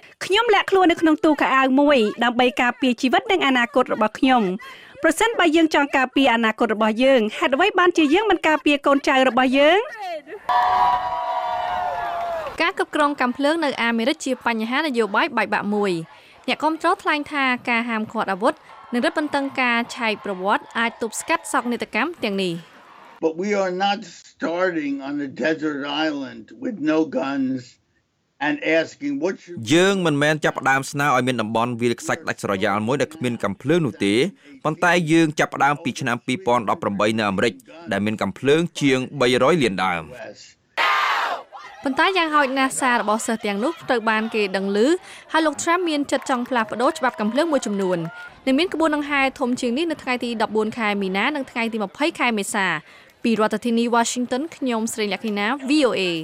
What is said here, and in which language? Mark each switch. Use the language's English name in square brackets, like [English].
[Khmer] ខ្ញុំលាក់ខ្លួននៅក្នុងទូខោអាវមួយដើម្បីការពារជីវិតនិងអនាគតរបស់ខ្ញុំប្រសិនបើយើងចង់ការពារអនាគតរបស់យើងហេតុអ្វីបានជាយើងមិនការពារកូនចៅរបស់យើង ការគ្រប់គ្រងកំភ្លើងនៅអាមេរិកជាបញ្ហានយោបាយបែកបាក់មួយអ្នកគាំទ្រថ្លែងថាការហាមឃាត់អាវុធនិងរឹតបន្តឹងការឆែកប្រវត្តិអាចទប់ស្កាត់សោកនាដកម្មទាំងនេះ [English] But we are not starting on a desert island with no guns and asking what you [Khmer] យើងមិនមែនចាប់ផ្ដើមស្នើឲ្យមានតំបន់វាលខ្សាច់ដាច់ស្រយាលមួយដែលគ្មានកាំភ្លើងនោះទេប៉ុន្តែយើងចាប់ផ្ដើមពីឆ្នាំ2018នៅអាមេរិកដែលមានកាំភ្លើងជាង300លានដើម ប៉ុន្តែយ៉ាងហោចណាស់សាររបស់សិស្សទាំងនោះត្រូវបានគេដឹងឮហើយលោកត្រាំមានចិត្តចង់ផ្លាស់ប្ដូរច្បាប់កាំភ្លើងមួយចំនួននឹងមានក្បួនដង្ហែធំជាងនេះនៅថ្ងៃទី14ខែមីនានិងថ្ងៃទី20ខែមេសាពីរដ្ឋធានី Washington ខ្ញុំស្រីលក្ខិណា VOA